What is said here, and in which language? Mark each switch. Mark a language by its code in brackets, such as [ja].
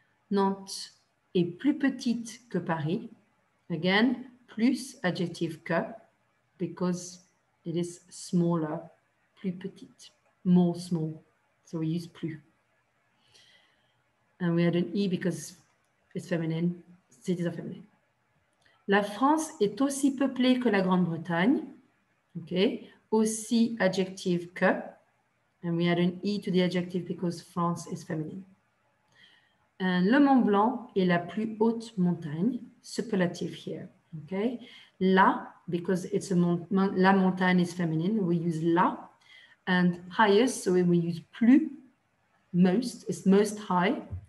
[fr] Nantes est plus petite que Paris. [en] Again, plus adjective que, because it is smaller, plus petite, more small. So we use plus. And we add an E because it's feminine, cities are feminine. [fr] La France est aussi peuplée que la Grande-Bretagne. Okay, aussi adjective que, [en] And we add an E to the adjective because France is feminine. [fr] Le Mont Blanc est la plus haute montagne, [en] superlative here, okay? La, because it's a la montagne is feminine, we use la. And highest, so we use plus, most, it's most high.